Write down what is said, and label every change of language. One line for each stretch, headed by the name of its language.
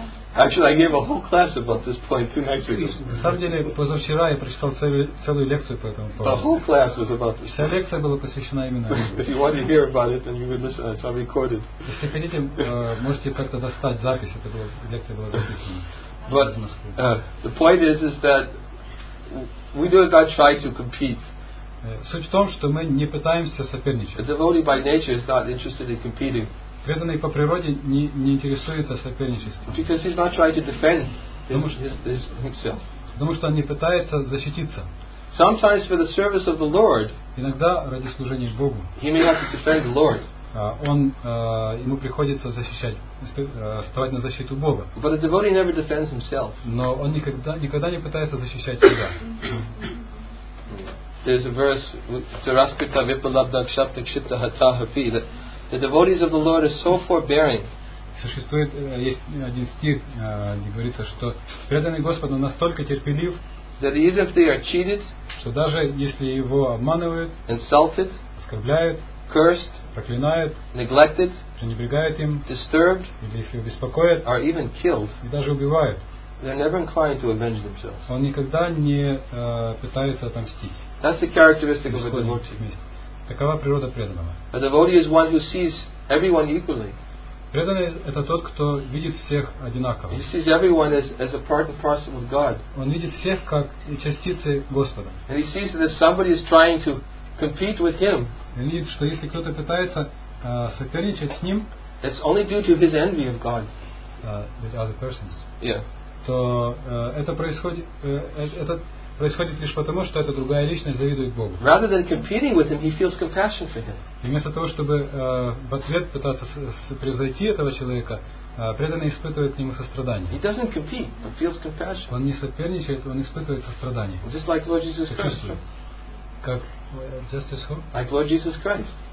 English: Actually, I gave a whole class about this point 2 nights ago.
Russian: На самом деле, позавчера я прочитал целую лекцию по этому поводу.
English: The whole class was about this.
Russian: Вся лекция была посвящена именно этому.
English: If you want to hear about it, then you would listen. It's all recorded.
Russian: Если хотите, можете как-то достать запись. Это была лекция была записана.
English: But the point is that we do not try to compete.
Russian: Суть в том, что мы не пытаемся соперничать.
English: The devotee by nature is not interested in competing.
Russian: Преданный по природе не интересуется соперничеством.
English: Because he's not trying to defend himself.
Russian: Потому что он не пытается защититься.
English: Sometimes for the service of the Lord.
Russian: Иногда ради служения Богу.
English: He may have to defend the Lord.
Russian: Ему приходится защищать, вставать на защиту Бога.
English: But a devotee never defends himself.
Russian: Но он никогда не пытается защищать себя.
English: There's a verse with Taraskrita Vipalabdha Kshapta Kshipta Hata Hafi that the devotees of the Lord are so forbearing.
Russian: Существует есть один стих, где говорится, что преданный Господу настолько терпелив,
English: that even if they are cheated,
Russian: что даже если его обманывают,
English: insulted,
Russian: оскорбляют,
English: cursed,
Russian: проклинают,
English: neglected,
Russian: пренебрегают им,
English: disturbed,
Russian: или если беспокоят,
English: or even killed,
Russian: и даже убивают.
English: They're never inclined to avenge themselves.
Russian: Он никогда не пытается отомстить.
English: That's the characteristic of a devotee.
Russian: Такова природа преданного.
English: A devotee is one who sees everyone equally.
Russian: Преданный это тот, кто видит всех одинаково.
English: He sees everyone as a part and parcel of God.
Russian: Он видит всех как частицы Господа.
English: And he sees that if somebody is trying to compete with him.
Russian: Он видит, что если кто-то пытается соперничать с ним,
English: it's only due to his envy of God. With other persons. Yeah.
Russian: То это происходит лишь потому, что эта другая личность завидует Богу.
English: Rather than competing with him, he feels compassion for him.
Russian: И вместо того, чтобы в ответ пытаться превзойти этого человека, преданный испытывает к нему сострадание.
English: He doesn't compete, but feels compassion.
Russian: Он не соперничает, он испытывает сострадание.
English: Just like Lord Jesus Christ.
Russian: Как
English: just as who? Like Lord Jesus Christ.